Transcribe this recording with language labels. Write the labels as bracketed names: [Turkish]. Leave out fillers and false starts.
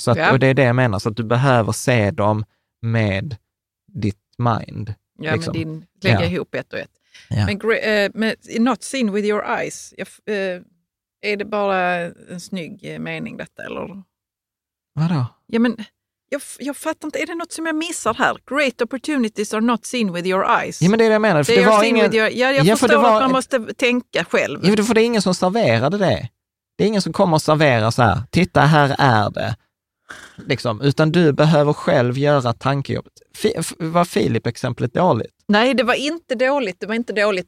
[Swedish] Så att, och det är det jag menar, så att du behöver se dem med ditt mind. Ja, liksom. Men din, lägga ihop 1 och 1. Ja. Men [English] not seen with your eyes, [Swedish] är det bara en snygg mening detta eller? Vadå? Ja, men jag fattar inte, är det något som jag missar här? [English] Great opportunities are not seen with your eyes. [Swedish] Ja, men det är det jag menar. Jag förstår att man måste tänka själv. Ja, för det är ingen som serverade det. Det är ingen som kommer att servera så här, titta här är det. Liksom, utan du behöver själv göra tankejobbet. Var Filip exemplet dåligt? Nej, det var inte dåligt. Det var inte dåligt.